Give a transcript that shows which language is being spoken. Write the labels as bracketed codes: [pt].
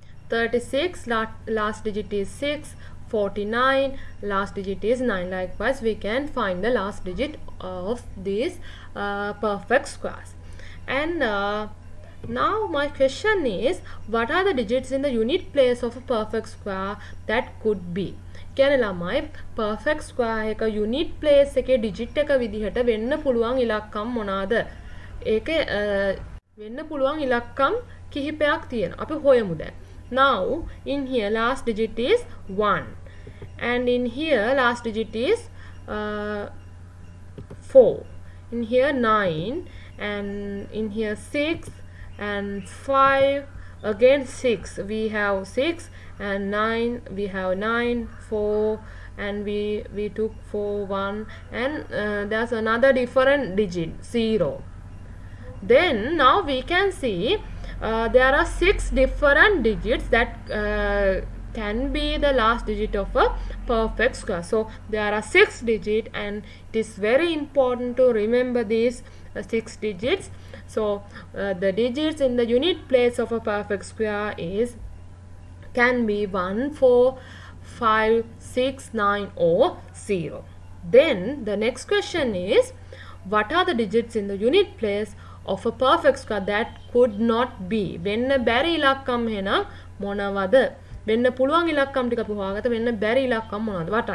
[en] 36, last digit is 6, 49, last digit is 9. Likewise, we can find the last digit of these perfect squares. And now my question is, what are the digits in the unit place of a perfect square that could be? [si] කියනලාමයි perfect square එක unit place එකේ digit එක විදිහට වෙන්න පුළුවන් ඉලක්කම් මොනවාද? ඒක වෙන්න පුළුවන් ඉලක්කම් කිහිපයක් තියෙනවා. අපි හොයමු දැන්. [en] Now in here last digit is 1 and in here last digit is 4, in here 9 and in here 6 and 5, again 6, we have 6 and 9, we have 9, 4 and we took 4, 1 and there's another different digit 0. Then now we can see there are 6 different digits that can be the last digit of a perfect square. So there are 6 digits and it is very important to remember these 6 digits. So the digits in the unit place of a perfect square is can be 1, 4, 5, 6, 9 or 0. Then the next question is, what are the digits in the unit place of a perfect square that could not be? [si] වෙන්න බැරි ඉලක්කම් එන මොනවද? වෙන්න පුළුවන් ඉලක්කම් ටික අපි හොයාගත්ත වෙන්න බැරි ඉලක්කම් මොනවද?